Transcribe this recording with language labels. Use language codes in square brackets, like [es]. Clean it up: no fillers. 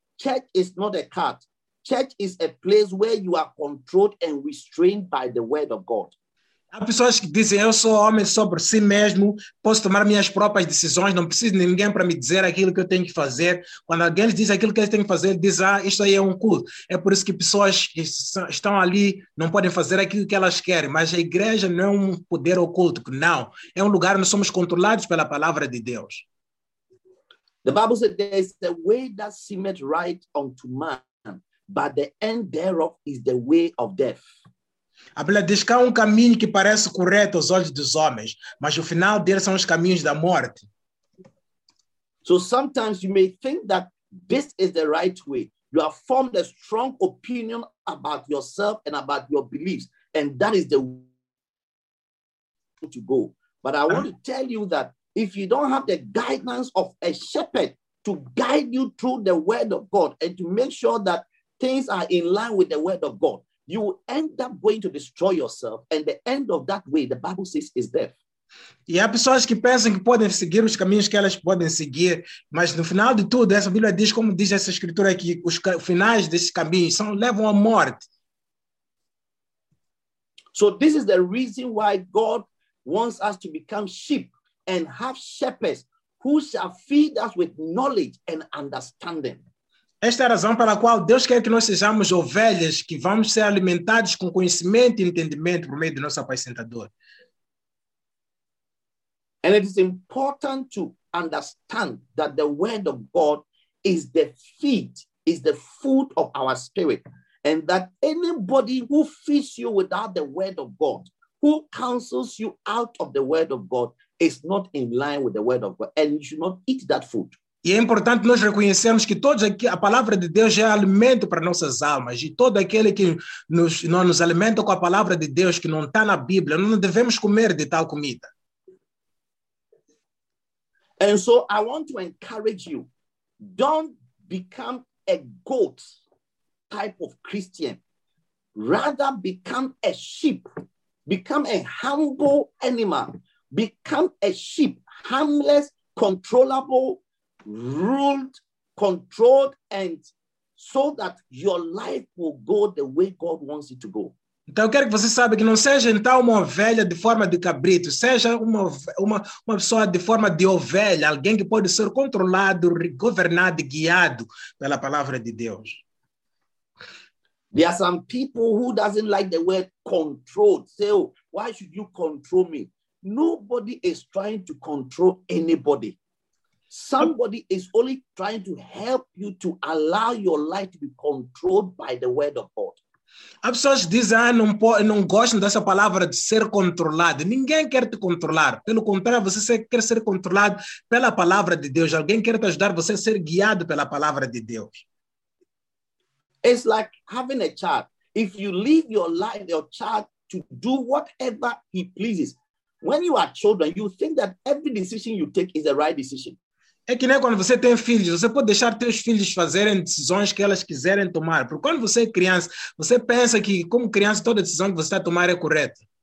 [en] Church is not a cart. Church is a place where you are controlled and restrained by the word of God. [pt] Há pessoas que dizem, eu sou homem só por si mesmo, posso tomar minhas próprias decisões, não preciso de ninguém para me dizer aquilo que eu tenho que fazer. Quando alguém diz aquilo que eles têm que fazer, diz, ah, isso aí é um culto. É por isso que pessoas que estão ali não podem fazer aquilo que elas querem. Mas a igreja não é um poder oculto, não. É um lugar onde somos controlados pela palavra de Deus. [en] The Bible says there is the way that seemeth right unto man, but the end thereof is the way of death. [pt] A Bíblia diz que há um caminho que parece correto aos olhos dos homens, mas o final deles são os caminhos da morte. [en] So sometimes you may think that this is the right way. You have formed a strong opinion about yourself and about your beliefs, and that is the way to go. But I want to tell you that if you don't have the guidance of a shepherd to guide you through the word of God and to make sure that things are in line with the word of God, you will end up going to destroy yourself. And the end of that way, the Bible says, is death. [pt] E há pessoas que pensam que podem seguir os caminhos que elas podem seguir. Mas no final de tudo, essa Bíblia diz, como diz essa escritura aqui, os finais desses caminhos são, levam à morte. [en] So this is the reason why God wants us to become sheep and have shepherds who shall feed us with knowledge and understanding. [pt] Esta é a razão pela qual Deus quer que nós sejamos ovelhas, que vamos ser alimentados com conhecimento e entendimento por meio do nosso apacentador. [en] And it is important to understand that the word of God is the feed, is the food of our spirit, and that anybody who feeds you without the word of God, who counsels you out of the word of God, is not in line with the word of God, and you should not eat that food. [pt] E é importante nós reconhecermos que todos aqui, a palavra de Deus é alimento para nossas almas. E todo aquele que nos alimenta com a palavra de Deus, que não está na Bíblia, não devemos comer de tal comida. [en] And so I want to encourage you, don't become a goat type of Christian. Rather become a sheep. Become a humble animal. Become a sheep, harmless, controllable, ruled, controlled, and so that your life will go the way God wants it to go. [pt] Então, eu quero que você saiba que não seja então uma ovelha de forma de cabrito, seja uma pessoa de forma de ovelha, alguém que pode ser controlado, governado, guiado pela palavra de Deus. [en] There are some people who doesn't like the word controlled. Say, oh, why should you control me? Nobody is trying to control anybody. Somebody is only trying to help you to allow your life to be controlled by the word of God. [pt] Há pessoas que dizem, não gostam dessa palavra de ser controlado. Ninguém quer te controlar. Pelo contrário, você quer ser controlado pela palavra de Deus. Alguém quer te ajudar você a ser guiado pela palavra de Deus. [en] It's like having a child. If you leave your life, your child, to do whatever he pleases. When you are children, you think that every decision you take is the right decision. [pt] É que nem quando você tem filhos, você pode deixar seus filhos fazerem decisões que elas quiserem tomar. Porque quando você é criança, você pensa que, como criança, toda decisão que você está a tomar é correta.